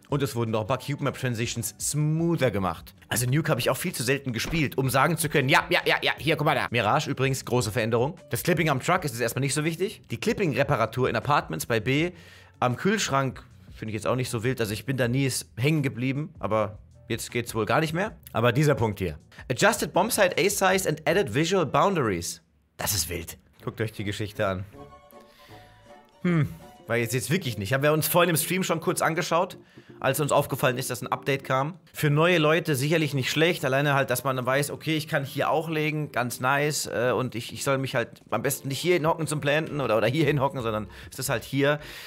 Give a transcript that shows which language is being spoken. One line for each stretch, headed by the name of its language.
German: Und es wurden noch ein paar Cube Map Transitions smoother gemacht. Also Nuke habe ich auch viel zu selten gespielt, um sagen zu können, ja, hier, guck mal da. Mirage übrigens, große Veränderung. Das Clipping am Truck ist jetzt erstmal nicht so wichtig. Die Clipping Reparatur in Apartments bei B. Am Kühlschrank finde ich jetzt auch nicht so wild, also ich bin da nie hängen geblieben, aber jetzt geht's wohl gar nicht mehr. Aber dieser Punkt hier.
English: Adjusted Bombsite A-Size and added visual boundaries.
German: Das ist wild. Guckt euch die Geschichte an. Weil jetzt sieht's wirklich nicht. Haben wir uns vorhin im Stream schon kurz angeschaut, als uns aufgefallen ist, dass ein Update kam. Für neue Leute sicherlich nicht schlecht, alleine halt, dass man weiß, okay, ich kann hier auch legen, ganz nice. Und ich soll mich halt am besten nicht hier hinhocken zum Planten oder hier hinhocken, sondern es ist halt hier.